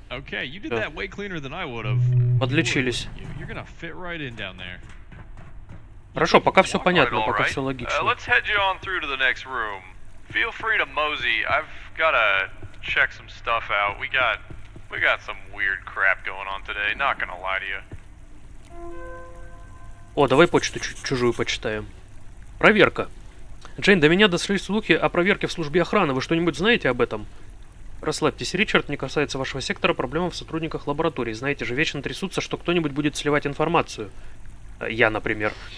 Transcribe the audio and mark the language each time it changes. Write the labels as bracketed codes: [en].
[en] Okay, you did that way cleaner than I would have. [ru] Подлечились. [en] You're gonna fit right in down there. [ru] Хорошо, пока все понятно, пока все логично. [en] Let's head you on through to the next room. Feel free to mosey. I've gotta check some stuff out. We got some weird crap going on today. Not gonna lie to you. [ru] О, давай почту чужую почитаем. Проверка. Джейн, до меня дошли слухи о проверке в службе охраны. Вы что-нибудь знаете об этом? Расслабьтесь, Ричард, не касается вашего сектора, проблема в сотрудниках лаборатории. Знаете же, вечно трясутся, что кто-нибудь будет сливать информацию. Я, например.